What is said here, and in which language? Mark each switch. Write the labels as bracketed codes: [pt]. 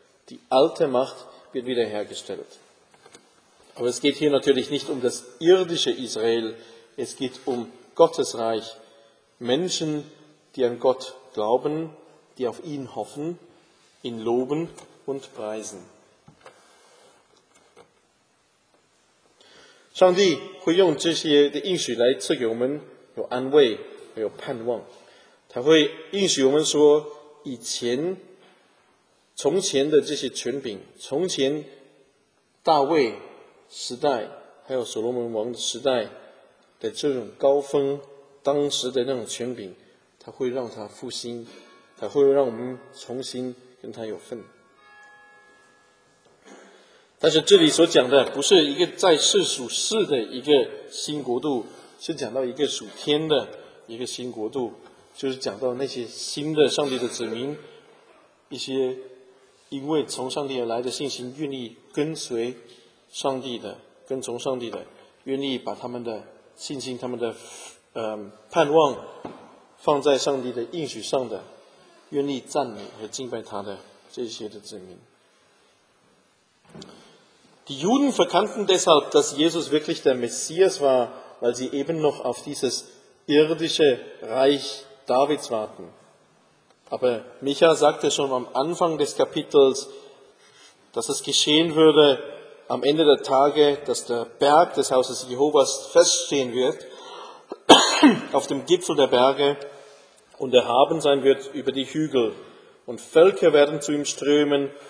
[de] Die alte Macht wird wiederhergestellt. Aber es geht hier natürlich nicht um das irdische Israel, es geht um Gottes Reich. Menschen, die an Gott glauben, die auf ihn hoffen, ihn loben und preisen. [zh] 上帝会用这些的应许来赐给我们有安慰，还有盼望。他会应许我们说，以前从前的这些权柄，从前大卫时代还有所罗门王时代的这种高峰，当时的那种权柄，他会让他复兴，他会让我们重新跟他有份。但是这里所讲的不是一个在世属世的一个新国度，是讲到一个属天的一个新国度，就是讲到那些新的上帝的子民，一些因为从上帝而来的信心，愿意跟随上帝的，跟从上帝的，愿意把他们的信心，他们的盼望放在上帝的应许上的，愿意赞美和敬拜他的这些的子民。 [de] Die Juden verkannten deshalb, dass Jesus wirklich der Messias war, weil sie eben noch auf dieses irdische Reich Davids warten. Aber Micha sagte schon am Anfang des Kapitels, dass es geschehen würde am Ende der Tage, dass der Berg des Hauses Jehovas feststehen wird, auf dem Gipfel der Berge, und erhaben sein wird über die Hügel. Und Völker werden zu ihm strömen,